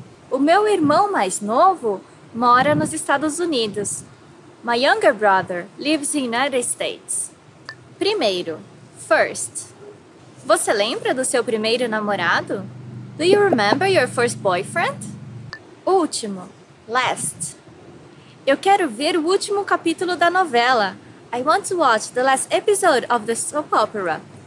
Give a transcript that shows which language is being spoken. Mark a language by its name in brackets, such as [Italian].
[Portuguese] O meu irmão mais novo mora nos Estados Unidos. [English] My younger brother lives in the United States. [Portuguese] Primeiro, first. Você lembra do seu primeiro namorado? [English] Do you remember your first boyfriend? Último, last. [Portuguese] Eu quero ver o último capítulo da novela. [English] I want to watch the last episode of the soap opera.